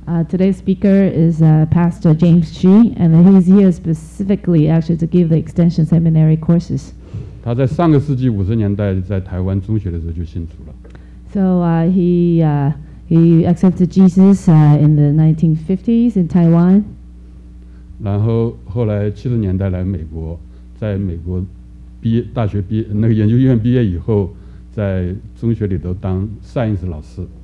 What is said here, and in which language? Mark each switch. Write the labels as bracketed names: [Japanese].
[English] Today's speaker is Pastor James Xu, and he's here specifically actually to give the Extension Seminary courses. [Chinese] 他在上个世纪五十年代在台湾中学的时候就信主了。 [English] So he accepted Jesus in the 1950s in Taiwan. [Chinese] 然后后来七十年代来美国，在美国大学毕业，那个研究院毕业以后，在中学里头当 science 老师。